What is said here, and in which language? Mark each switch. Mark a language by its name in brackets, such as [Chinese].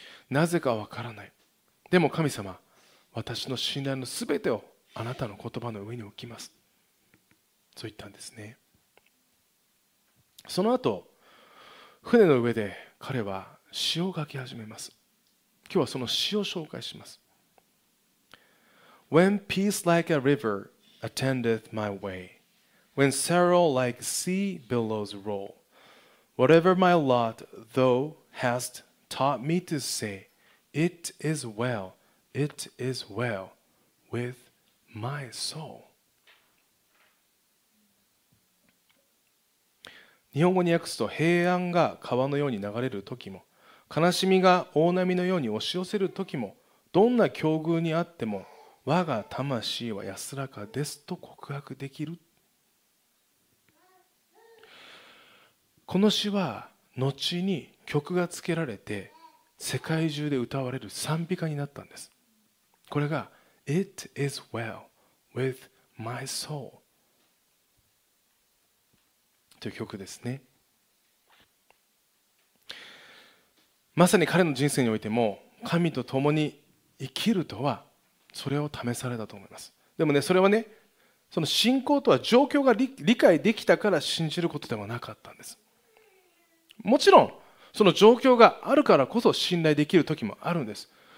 [Japanese] なぜかわからない、でも神様、私の信頼のすべてをあなたの言葉の上に置きます、そう言ったんですね。その後船の上で彼は詩を書き始めます。今日はその詩を紹介します。 [English] When peace like a river attendeth my way, When sorrow like sea billows roll, Whatever my lot thou hast taught me to say, it is well with my soul. [Japanese] 日本語に訳すと、平安が川のように流れる時も、悲しみが大波のように押し寄せる時も、どんな境遇にあっても我が魂は安らかですと告白できる。この詩は後に曲がつけられて世界中で歌われる賛美歌になったんです。これが [English] It is well with my soul [Japanese] という曲ですね。まさに彼の人生においても神と共に生きるとはそれを試されたと思います。でもね、それはね、その信仰とは状況が理解できたから信じることではなかったんです。もちろんその状況があるからこそ信頼できる時もあるんです。